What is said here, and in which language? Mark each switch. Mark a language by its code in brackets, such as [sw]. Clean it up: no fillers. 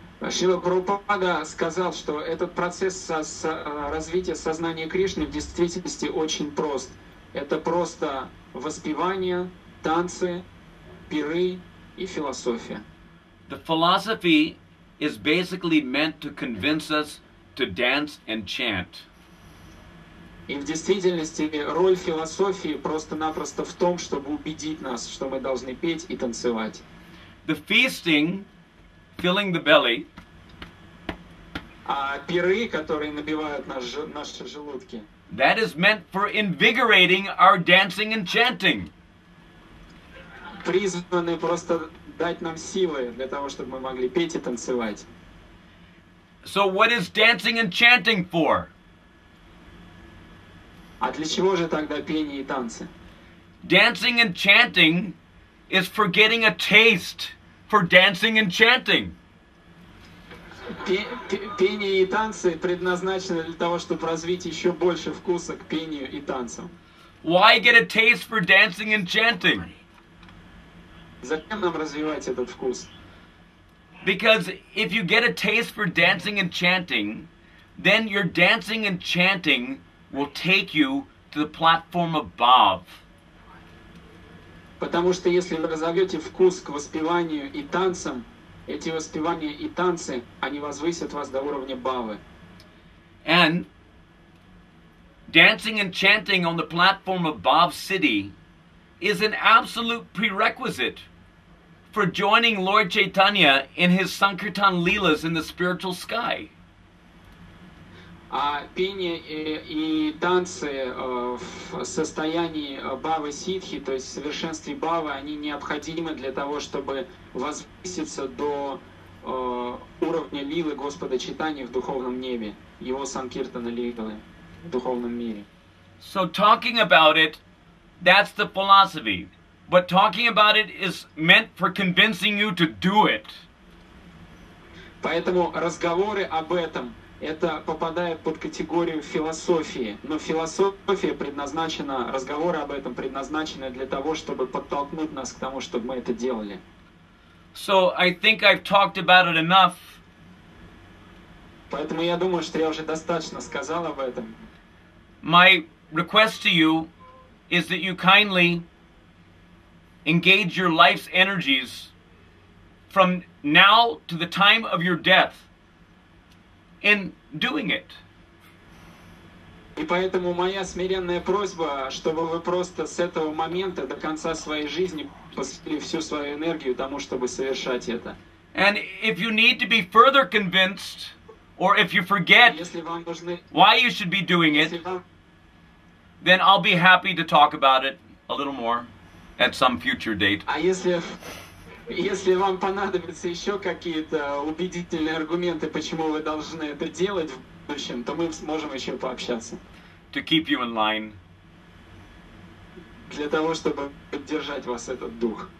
[ru] Шрила Прабхупада сказал, что этот процесс развития сознания Кришны в действительности очень прост. Это просто воспевание, танцы, пиры и философия. [en] The philosophy is basically meant to convince us to dance and chant. [ru] И в действительности роль философии просто-напросто в том, чтобы убедить нас, что мы должны петь и танцевать. [en] The feasting, filling the belly. [ru] А пиры, которые набивают наши желудки. [en] That is meant for invigorating our dancing and chanting. [ru] Призваны просто дать нам силы для того, чтобы мы могли петь и танцевать. [en] So what is dancing and chanting for? [ru] А для чего же тогда пение и танцы? [en] Dancing and chanting is for getting a taste for dancing and chanting. [ru] Пение и танцы предназначены для того, чтобы развить еще больше вкуса к пению и танцам. [en] Why get a taste for dancing and chanting? [ru] Зачем нам развивать этот вкус? [en] Because if you get a taste for dancing and chanting, then your dancing and chanting will take you to the platform above. [ru] Потому что если вы разовьете вкус к воспеванию и танцам, эти воспевания и танцы, они возвысят вас до уровня бхавы. [en] And dancing and chanting on the platform of Bhav City is an absolute prerequisite for joining Lord Chaitanya in his Sankirtan Leelas in the spiritual sky. [ru] пение и танцы в состоянии бавы ситхи, то есть в совершенстве бавы, они необходимы для того, чтобы возвыситься до уровня лилы Господа Читания в духовном небе, его санкиртана лилы в духовном мире. [en] So talking about it, that's the philosophy. But talking about it is meant for convincing you to do it. [ru] Поэтому разговоры об этом, это попадает под категорию философии. Но философия предназначена, разговоры об этом предназначены для того, чтобы подтолкнуть нас к тому, чтобы мы это делали. [en] So I think I've talked about it enough. [ru] Поэтому я думаю, что я уже достаточно сказал об этом. [en] My request to you is that you kindly engage your life's energies from now to the time of your death in doing it. [ru] И поэтому моя смиренная просьба, чтобы вы просто с этого момента до конца своей жизни посвятили всю свою энергию тому, чтобы совершать это. [en] And if you need to be further convinced, or if you forget why you should be doing it, then I'll be happy to talk about it a little more at some future date. [ru] А если вам понадобятся еще какие-то убедительные аргументы, почему вы должны это делать в будущем, то мы сможем еще пообщаться. [en] To keep you in line. [ru] Для того, чтобы поддержать вас этот дух.